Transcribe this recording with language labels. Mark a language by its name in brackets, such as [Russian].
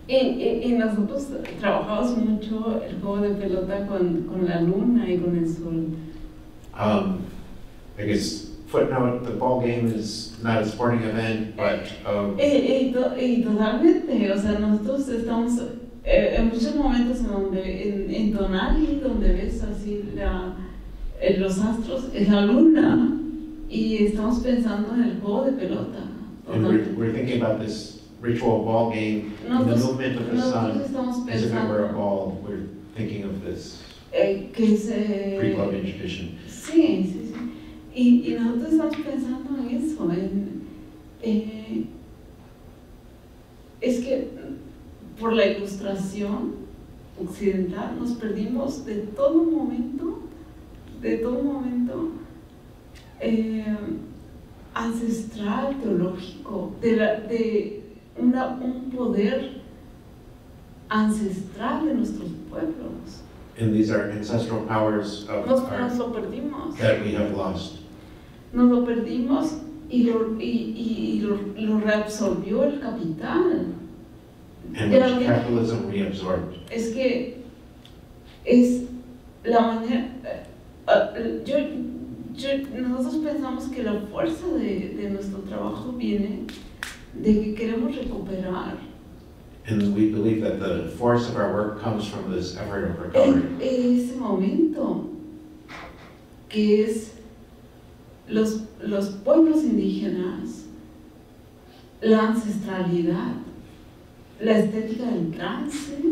[Spanish] Y nosotros trabajamos mucho el juego de pelota con la luna y con el sol. [English] I guess footnote: the ball game is not a sporting event, but. [Spanish] Y totalmente, o sea, nosotros estamos en muchos momentos en donde en Donali, donde ves así los astros es la luna y estamos pensando en el juego de pelota. [English] And we're thinking about this ritual ball game, the movement of the sun, as if it were a ball, we're thinking of this pre-club tradition. [Spanish] Sí, sí, sí. Y nosotros estamos pensando en eso, es que por la ilustración occidental nos perdimos de todo momento, ancestral, teológico, de un poder ancestral de nuestros pueblos. [English] And these are ancestral powers of [Spanish] nos lo perdimos. [English] That we have lost. [Spanish] Nos lo perdimos y lo reabsorbió el capital. [English] And which capitalism reabsorbed. [Spanish] Es que es la manera... Nosotros pensamos que la fuerza de nuestro trabajo viene de que queremos recuperar. [English] And we believe that the force of our work comes from this effort of recovery. [Spanish] Ese momento que es los pueblos indígenas, la ancestralidad, la estética del trance.